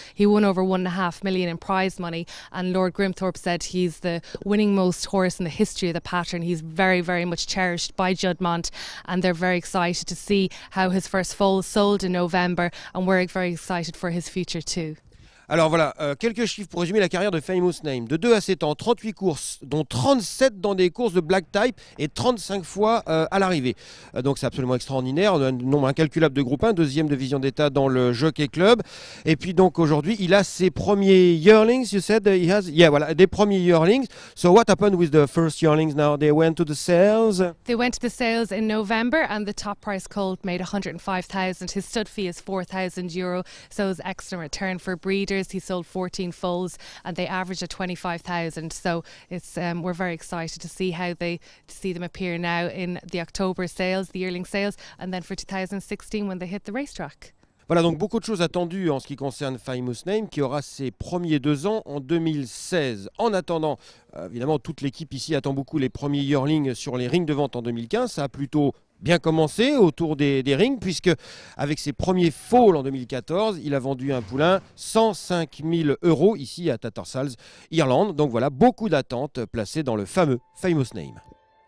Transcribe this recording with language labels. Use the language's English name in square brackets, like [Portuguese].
[English] He won over $1.5 million in prize money, and Lord Grimthorpe said he's the winning most horse in the history of the pattern. He's very, very much cherished by Judmont, and they're very excited to see how his first foal sold in November. And we're very excited for his future too. [French] Alors voilà, quelques chiffres pour résumer la carrière de Famous Name. De 2 à 7 ans, 38 courses, dont 37 dans des courses de Black Type et 35 fois à l'arrivée. Donc c'est absolument extraordinaire, un nombre incalculable de groupes 1, deuxième division d'État dans le Jockey Club. Et puis donc aujourd'hui, il a ses premiers yearlings, [English] you said he has? [French] Yeah, voilà, des premiers yearlings. [English] So what happened with the first yearlings now? They went to the sales? They went to the sales in November and the top price called made 105,000. His stud fee is 4,000 euro, so it's excellent return for breed. He sold 14 foals and they averaged at 25,000. So it's we're very excited to see how they to see them appear now in the October sales, the yearling sales, and then for 2016 when they hit the racetrack. [French] Voilà donc beaucoup de choses attendues en ce qui concerne Famous Name qui aura ses premiers 2 ans en 2016. En attendant, évidemment, toute l'équipe ici attend beaucoup les premiers yearlings sur les rings de vente en 2015. Ça a plutôt bien commencé autour des rings, puisque avec ses premiers foals en 2014, il a vendu un poulain 105 000 euros ici à Tattersalls, Irlande. Donc voilà, beaucoup d'attentes placées dans le fameux Famous Name.